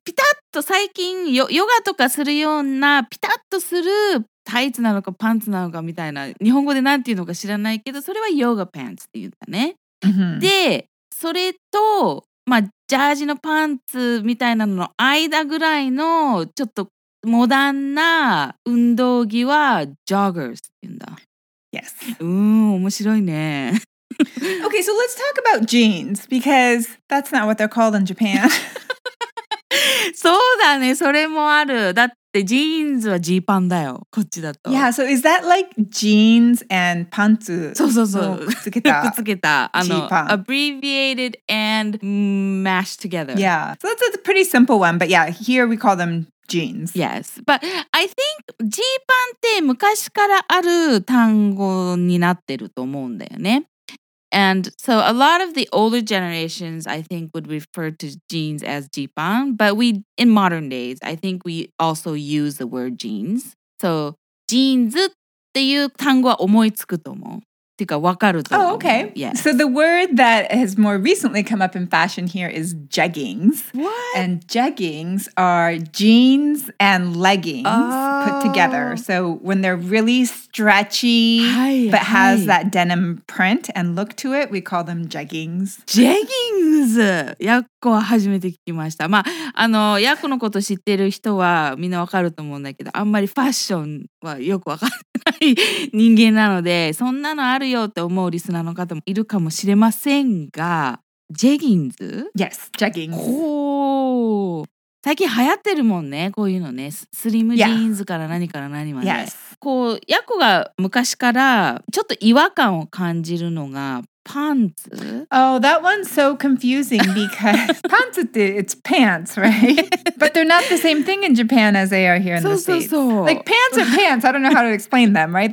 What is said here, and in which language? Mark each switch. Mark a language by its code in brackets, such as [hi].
[ja] ピタッと最近ヨガとかするようなピタッとするタイツなのかパンツなのかみたいな日本語でなんていうのか知らないけどそれはヨガパンツって言うんだね、 mm-hmm. でそれとまあジャージのパンツみたいなのの間ぐらいのちょっとモダンな運動着はジョガーズって言うんだ [en] Yes [ja] うん面白いね [en] Okay so let's talk about jeans because that's not what they're called in Japan [ja] そうだねそれもあるだってジーンズはジーパンだよこっちだと [en] Yeah, so is that like jeans and pants? [ja] そうそうそうくっつけたくっつけたあの、G-pan. [en] Abbreviated and mashed together Yeah, so that's a pretty simple one But yeah, here we call them jeans Yes, but I think [ja] ジーパンって昔からある単語になってると思うんだよね [en] And so a lot of the older generations, I think, would refer to jeans as jipan. But we, in modern days, I think we also use the word jeans. [ja] So jeans っていう単語は思いつくと思う。っていうか分かると思う。 [en] Oh, okay. Yes. So the word that has more recently come up in fashion here is jeggings. What? And jeggings are jeans and leggings put together. So when they're really stretchy, but has that denim print and look to it, we call them jeggings. Jeggings! [ja] やっこは初めて聞きました。まあ、あの、やっこのこと知ってる人はみんな分かると思うんだけど、あんまりファッションはよく分かんない人間なので、そんなのあるよって思うリスナーの方もいるかもしれませんが、ジェギンズ? [en] Yes, jeggings. [ja] おー。最近流行ってるもんね、こういうのね。スリムジーンズから何から何まで。 [en] Yes. [ja] こう、ヤコが昔からちょっと違和感を感じるのがパンツ? [en] Oh, that one's so confusing because pants って it's pants, right? But they're not the same thing in Japan as they are here in the States. [ja] そうそうそう。 [en] Like pants are pants. I don't know how to explain them, right?